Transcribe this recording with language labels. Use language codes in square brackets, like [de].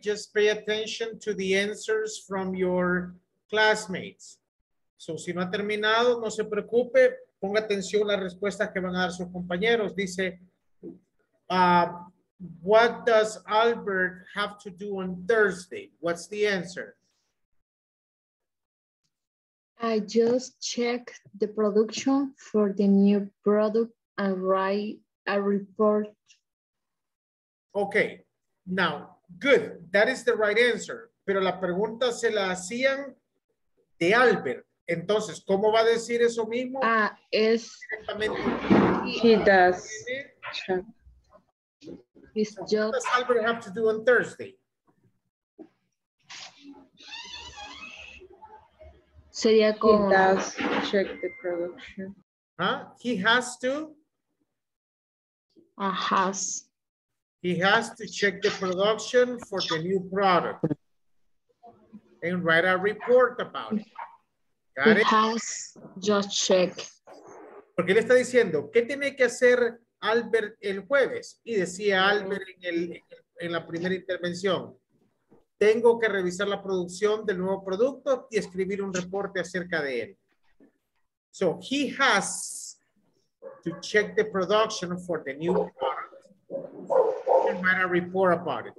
[en] Just pay attention to the answers from your classmates. [es] So, si no ha terminado, no se preocupe. Ponga atención a las respuestas que van a dar sus compañeros. Dice, [en] what does Albert have to do on Thursday? What's the answer? I just checked the production for the new product and write a report. Okay, now, good. That is the right answer. [es] Pero la pregunta se la hacían de Albert. Entonces, ¿cómo va a decir eso mismo? Ah, es... [en] He does. His job. What does Albert have to do on Thursday? [es] Sería como... [en] He does check the production. Huh? He has to? Has. He has to check the production for the new product. And write a report about it. Got it? Has just check. [es] Porque él está diciendo, ¿qué tiene que hacer Albert el jueves? Y decía Albert en la primera intervención, tengo que revisar la producción del nuevo producto y escribir un reporte acerca de él. [en] So, he has to check the production for the new product and write a report about it.